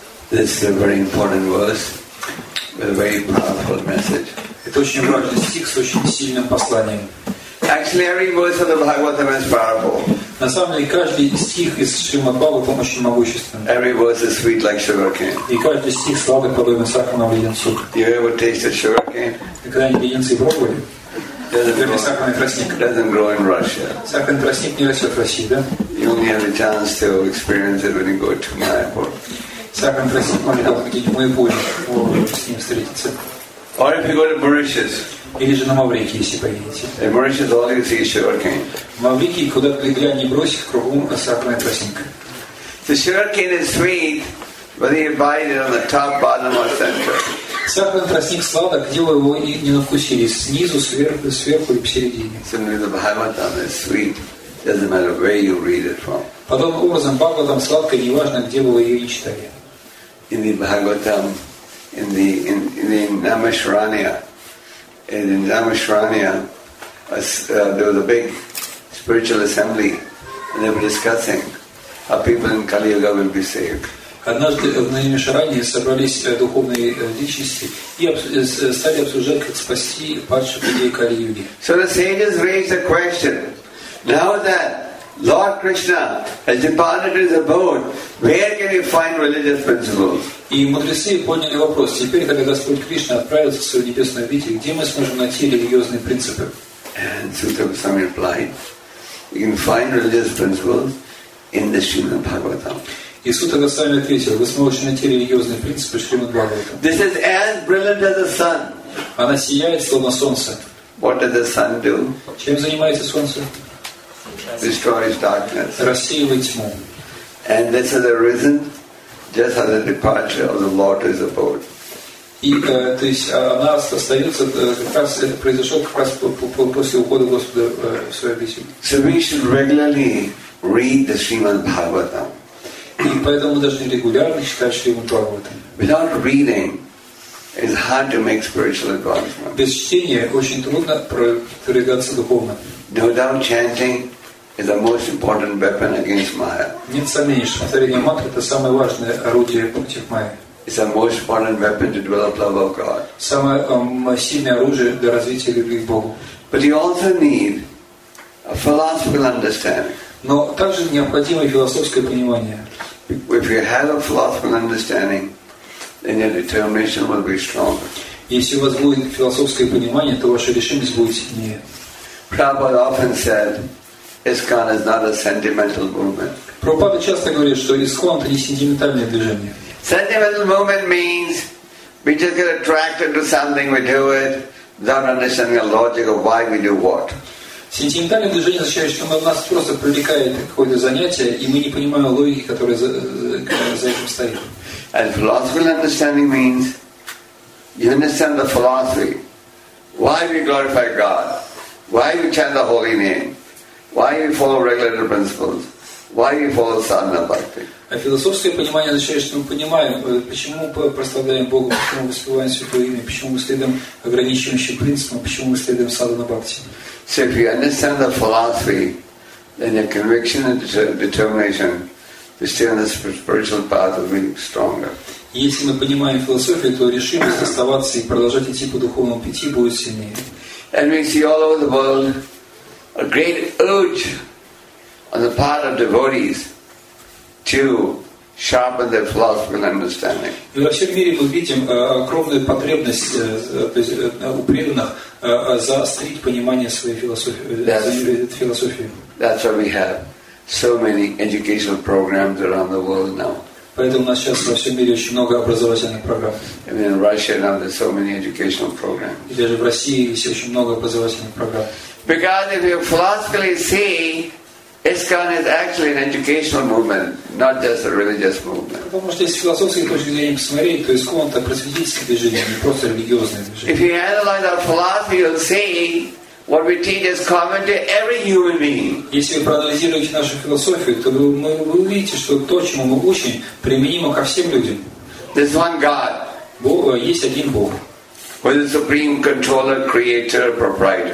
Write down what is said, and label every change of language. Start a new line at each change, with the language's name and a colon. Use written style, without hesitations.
English: This is a very important verse with a very powerful message.
Russian: Это очень важный стих с очень сильным посланием.
English: Actually, every verse of the Bhagavatam is powerful.
Russian: На самом деле каждый стих из Шримад Бхагаватам очень могущественный.
English: Every verse is sweet like sugarcane.
Russian: И каждый стих сладок, подобно сахарному леденцу.
English: You ever tasted sugarcane?
Russian: Когда-нибудь леденцы пробовали? Сахарный тростник.
English: Doesn't grow in Russia.
Russian: Сахарный тростник не растет в России, да?
English: You only have a chance to experience it when you go to Mayapur.
Russian: Сахарный тростник можно только где-нибудь в Майпуре, чтобы с ним встретиться.
English: Or if you go to Mauritius.
Russian: Или же на Маврикии, если поедете.
English: In Mauritius, all you see is sugarcane.
Russian: Маврикии, куда ты глянь, не бросишь, кругом сахарная тростника.
English: The sugarcane is sweet, whether you bite it on the top, bottom, or center.
Russian: Сахарный тростник сладок, где вы его не навкусили, снизу, сверху, сверху и посередине.
English: Similarly, the Bhagavatam is sweet. Doesn't matter where you read it from.
Russian: Подобным образом, Бхагаватам сладко, неважно, где вы ее не читали.
English: In the Bhagavatam, in the Namashranya, and in Namashranya, there was a big spiritual assembly, and they were discussing how people in Kali Yuga will be saved.
Russian: Однажды в Намишаране собрались духовные личности и стали обсуждать, как спасти падших людей Кали Юги.
English: So the sages raised a question. Now that Lord Krishna has departed his abode, where can you find religious principles?
Russian: И мудрецы поняли вопрос. Теперь, когда Господь Кришна отправился в свою небесную обитель, где мы сможем найти религиозные принципы?
English: And Sutta Goswami replied, you can find religious principles in the Srimad Bhagavatam.
Russian: И Сута Госвами ответил, вы сможете найти религиозные принципы в Шримад Бхагаватам.
English: This is as brilliant as the sun.
Russian: Она сияет, словно солнце.
English: What does the sun do?
Russian: Чем занимается солнце?
English: Destroys darkness.
Russian: Рассеивает тьму.
English: And this has arisen just as the departure of the Lord is about.
Russian: И то есть она остается как раз это произошло как раз после ухода Господа в свою обитель.
English: So we should regularly read the Srimad Bhagavatam.
Russian: И поэтому должны регулярно читать Шримад Бхагаватам.
English: Without reading, it's hard to make spiritual advancement.
Russian: Без чтения очень трудно продвигаться духовно.
English: Without chanting, is the most important weapon against Maya.
Russian: Нет сомнений, что повторение мантры это самое важное орудие против Майи.
English: It's the most important weapon to develop love of God.
Russian: Самое сильное оружие для развития любви к Богу.
English: But you also need a philosophical understanding.
Russian: Но также необходимо философское понимание.
English: If you have a philosophical understanding, then your determination will be stronger.
Russian: Если у вас будет философское понимание, то ваша решимость будет сильнее.
English: Prabhupada often said, ISKCON is not a sentimental movement.
Russian: Прабхупада часто говорит, что ISKCON это не сентиментальное движение.
English: Sentimental movement means we just get attracted to something, we do it, without understanding the logic of why we do what.
Russian: Сентиментальное движение означает, что нас просто привлекает какое-то занятие, и мы не понимаем логики, которая за этим стоит.
English: And philosophical understanding means you understand the philosophy. Why we glorify God? Why we chant the holy name? Why we follow regulative principles? Why we follow sadhana bhakti?
Russian: А философское понимание означает, что мы понимаем, почему мы прославляем Бога, почему мы воспеваем Святое Имя, почему мы следуем ограничивающим принципам, почему мы следуем садхана бхакти.
English: So if you understand the philosophy, then your conviction and determination to stay on the spiritual path will be stronger.
Russian: Если мы понимаем философию, то решимость оставаться и продолжать идти по духовному пути будет сильнее.
English: And we see all over the world a great urge on the part of devotees to sharpen their philosophical understanding.
Russian: И во всем мире мы видим огромную потребность у преданных заострить понимание своей философии.
English: That's why we have so many educational programs around the world now.
Russian: Поэтому у нас сейчас во всем мире очень много образовательных программ.
English: And in Russia now there's so many educational programs.
Russian: И даже в России есть очень много образовательных программ.
English: Because if you philosophically see ISKCON is actually an educational movement, not just a religious movement.
Russian: Потому что если философски точки зрения посмотреть, то ISKCON это просветительское движение, не просто религиозное движение.
English: If you analyze our philosophy, you'll see what we teach is common to every human being.
Russian: Если вы проанализируете нашу философию, то вы увидите, что то, чему мы учим, применимо ко всем людям.
English: There's one God.
Russian: Есть один Бог.
English: Who is the supreme controller, creator, proprietor?